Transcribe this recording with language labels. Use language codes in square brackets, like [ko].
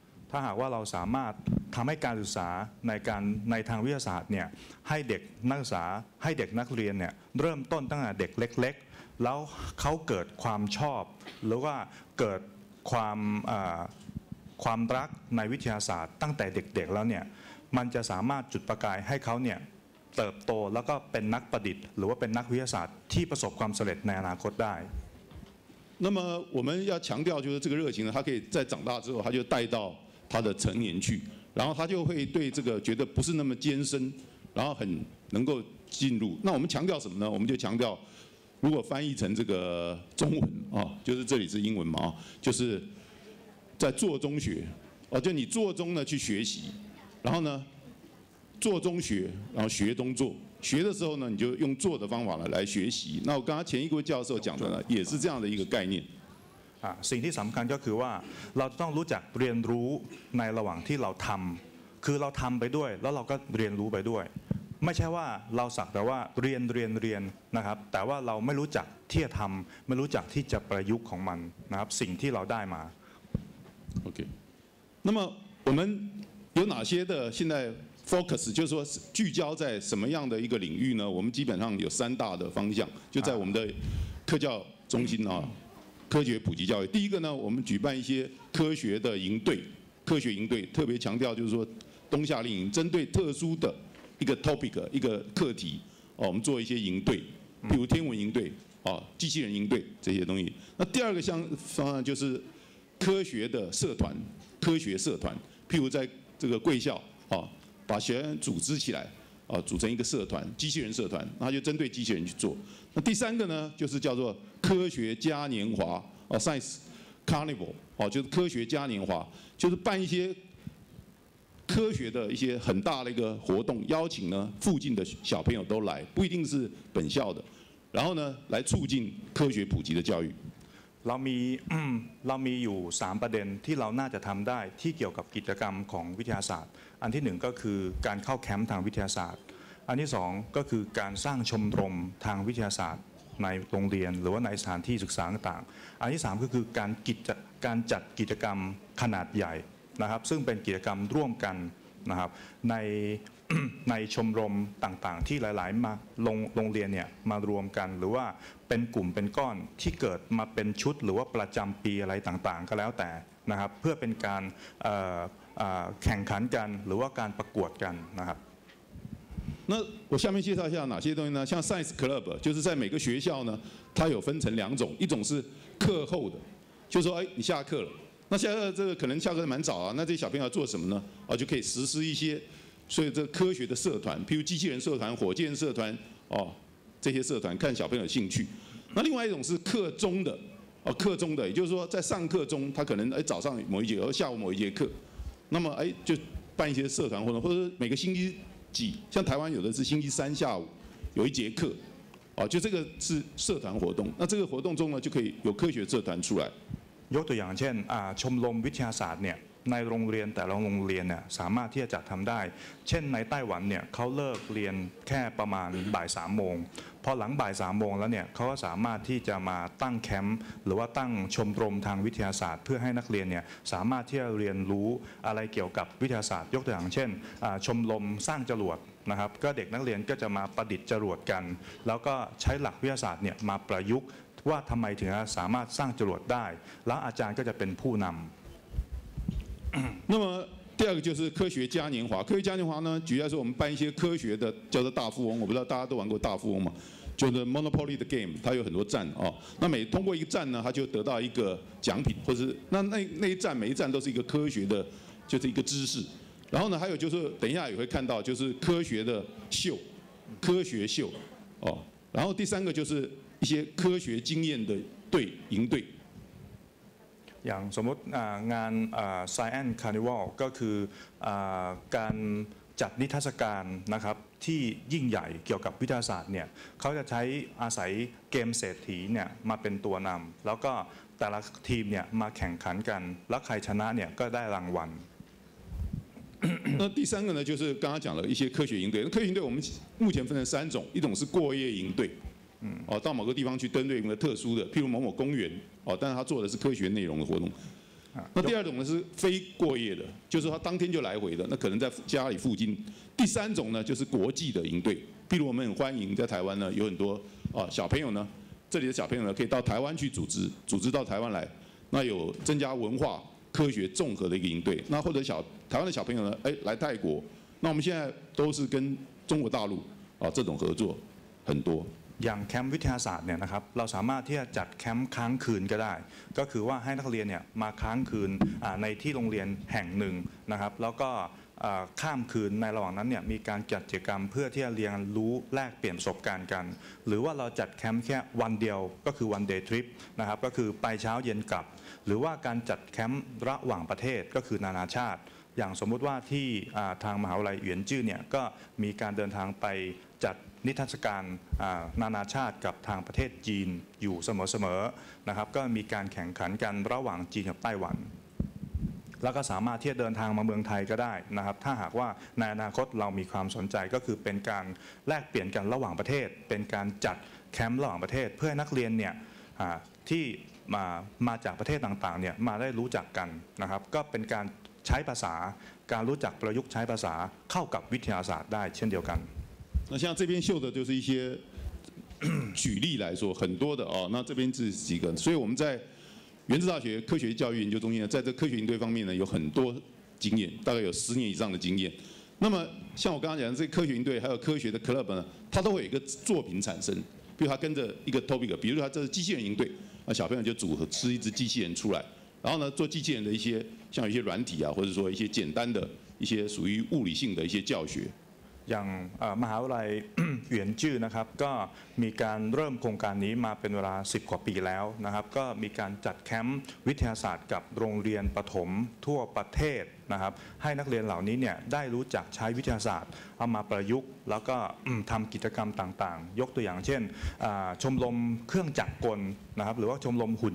[th] ถ้าหากว่าเราสามารถทำให้การศึกษาในการในทางวิทยาศาสตร์เนี่ยให้เด็กนักศึกษาให้เด็กนักเรียนเนี่ยเริ่มต้นตั้งแต่เด็กเล็กๆแล้วเขาเกิดความชอบหรือว่าเกิดความความรักในวิทยาศาสตร์ตั้งแต่เด็กๆแล้วเนี่ยมันจะสามารถจุดประกายให้เขาเนี่ยเติบโตแล้วก็เป็นนักประดิษฐ์หรือว่าเป็นนักวิทยาศาสตร์ที่ประสบความสำเร็จในอนาคตได้ [zh] 那么我们要强调就是这个热情呢它可以在长大之后它就带到他的成年去然后他就会对这个觉得不是那么艰深然后很能够进入那我们强调什么呢我们就强调如果翻译成这个中文就是这里是英文嘛就是在做中学就你做中呢去学习然后呢做中学然后学中做学的时候呢你就用做的方法来学习那我刚刚前一位教授讲的呢也是这样的一个概念 [th] สิ่งที่สำคัญก็คือว่าเราต้องรู้จักเรียนรู้ในระหว่างที่เราทำคือเราทำไปด้วยแล้วเราก็เรียนรู้ไปด้วยไม่ใช่ว่าเราสักแต่ว่าเรียนนะครับแต่ว่าเราไม่รู้จักที่จะทำไม่รู้จักที่จะประยุกต์ของมันนะครับสิ่งที่เราได้มา โอเค [zh] 那么我们有哪些的现在 focus 就是说聚焦在什么样的一个领域呢我们基本上有三大的方向就在我们的科教中心科学普及教育第一个呢我们举办一些科学的营队科学营队特别强调就是说冬夏令营针对特殊的一个 topic 一个课题我们做一些营队比如天文营队机器人营队这些东西那第二个方案就是科学的社团科学社团譬如在这个贵校把学员组织起来组成一个社团机器人社团那就针对机器人去做那第三个呢就是叫做科学嘉年华Science Carnival 就是科学嘉年华就是办一些科学的一些很大的一个活动邀请呢附近的小朋友都来不一定是本校的然后呢来促进科学普及的教育 [th] เรามีอยู่3ประเด็นที่เราน่าจะทำได้ที่เกี่ยวกับกิจกรรมของวิทยาศาสตร์อันที่1ก็คือการเข้าแคมป์ทางวิทยาศาสตร์อันที่2ก็คือการสร้างชมรมทางวิทยาศาสตร์ในโรงเรียนหรือว่าในสถานที่ศึกษาต่างๆอันที่3ก็คือการจัดกิจกรรมขนาดใหญ่นะครับซึ่งเป็นกิจกรรมร่วมกันนะครับ ในชมรมต่างๆที่หลายๆมาโรงเรียนเนี่ยมารวมกันหรือว่าเป็นกลุ่มเป็นก้อนที่เกิดมาเป็นชุดหรือว่าประจำปีอะไรต่างๆก็แล้วแต่นะครับเพื่อเป็นการแข่งขันกันหรือว่าการประกวดกันนะครับ [zh] 那我下面介绍一下哪些东西呢像 science club 就是在每个学校呢它有分成两种一种是课后的就是说你下课了那下课这个可能下课蛮早啊那这些小朋友要做什么呢就可以实施一些所以这科学的社团譬如机器人社团火箭社团这些社团看小朋友的兴趣那另外一种是课中的课中的也就是说在上课中他可能早上某一节课下午某一节课那么就办一些社团活动或者每个星期几像台湾有的是星期三下午有一节课就这个是社团活动那这个活动中呢就可以有科学社团出来 [th] ยกตัวอย่างเช่นชมรมวิทยาศาสตร์เนี่ยในโรงเรียนแต่ละโรงเรียนเนี่ยสามารถที่จะทำได้เช่นในไต้หวันเนี่ยเขาเลิกเรียนแค่ประมาณบ่ายสามโมงพอหลังบ่ายสามโมงแล้วเนี่ยเขาก็สามารถที่จะมาตั้งแคมป์หรือว่าตั้งชมรมทางวิทยาศาสตร์เพื่อให้นักเรียนเนี่ยสามารถที่จะเรียนรู้อะไรเกี่ยวกับวิทยาศาสตร์ยกตัวอย่างเช่น ชมรมสร้างจรวดนะครับก็เด็กนักเรียนก็จะมาประดิษฐ์จรวดกันแล้วก็ใช้หลักวิทยาศาสตร์เนี่ยมาประยุกต์ว่าทำไมถึงสามารถสร้างจรวดได้แล้วอาจารย์ก็จะเป็นผู้นำ [zh] 那么第二个就是科学嘉年华。科学嘉年华呢，举例来说，我们办一些科学的，叫做大富翁。我不知道大家都玩过大富翁吗？就是 Monopoly 的 game， 它有很多站哦。那每通过一个站呢，它就得到一个奖品，或是那一站每一站都是一个科学的，就是一个知识。然后呢，还有就是等一下也会看到，就是科学的秀，科学秀哦。然后第三个就是一些科学经验的对赢对。 [th] อย่างสมมติงาน Science Carnival ก็คือการจัดนิทรรศการนะครับที่ยิ่งใหญ่เกี่ยวกับวิทยาศาสตร์เนี่ยเขาจะใช้อาศัยเกมเศรษฐีเนี่ยมาเป็นตัวนำแล้วก็แต่ละทีมเนี่ยมาแข่งขันกันแล้วใครชนะเนี่ยก็ได้รางวัล [zh] 那第三个呢就是刚刚讲了一些科学营队科学营队我们目前分成三种一种是过夜营队到某个地方去登对一个特殊的譬如某某公园但是他做的是科学内容的活动那第二种呢是非过夜的就是他当天就来回的那可能在家里附近第三种呢就是国际的营队譬如我们很欢迎在台湾呢有很多小朋友呢这里的小朋友呢可以到台湾去组织到台湾来那有增加文化科学综合的一个营队那或者台湾的小朋友呢来泰国那我们现在都是跟中国大陆这种合作很多 [th] อย่างแคมป์วิทยาศาสตร์เนี่ยนะครับเราสามารถที่จะจัดแคมป์ค้างคืนก็ได้ก็คือว่าให้นักเรียนเนี่ยมาค้างคืนในที่โรงเรียนแห่งหนึ่งนะครับแล้วก็ ข้ามคืนในระหว่างนั้นเนี่ยมีการจัดกิจกรรมเพื่อที่จะเรียนรู้แลกเปลี่ยนประสบการณ์กันหรือว่าเราจัดแคมป์แค่วันเดียวก็คือ [en] one day trip [th] นะครับก็คือไปเช้าเย็นกลับหรือว่าการจัดแคมป์ระหว่างประเทศก็คือนานาชาติอย่างสมมติว่าที่ทางมหาวิทยาลัยเหวียนจื้อเนี่ยก็มีการเดินทางไปจัดนิทรรศการนานาชาติกับทางประเทศจีนอยู่เสมอๆนะครับก็มีการแข่งขันกันระหว่างจีนกับไต้หวัน แล้วก็สามารถที่จะเดินทางมาเมืองไทยก็ได้นะครับถ้าหากว่าในอนาคตเรามีความสนใจก็คือเป็นการแลกเปลี่ยนกันระหว่างประเทศเป็นการจัดแคมป์ระหว่างประเทศเพื่อนักเรียนเนี่ยที่มาจากประเทศต่างๆเนี่ยมาได้รู้จักกันนะครับก็เป็นการใช้ภาษาการรู้จักประยุกต์ใช้ภาษาเข้ากับวิทยาศาสตร์ได้เช่นเดียวกัน [zh] 那像这边秀的就是一些举例来说很多的那这边是几个所以我们在原子大学科学教育研究中心在这科学营队方面呢有很多经验大概有十年以上的经验那么像我刚刚讲的这科学营队还有科学的 club 呢它都会有一个作品产生比如它跟着一个 topic 比如说它这是机器人营队小朋友就组合吃一只机器人出来然后呢做机器人的一些像一些软体啊或者说一些简单的一些属于物理性的一些教学 [th] อย่างมหาวิทยาลัยเหวียนจื้อนะครับก็มีการเริ่มโครงการนี้มาเป็นเวลา10กว่าปีแล้วนะครับก็มีการจัดแคมป์วิทยาศาสตร์กับโรงเรียนประถมทั่วประเทศนะครับให้นักเรียนเหล่านี้เนี่ยได้รู้จักใช้วิทยาศาสตร์เอามาประยุกต์แล้วก็ทำกิจกรรมต่างๆยกตัวอย่างเช่นชมรมเครื่องจักรกลนะครับหรือว่าชมรม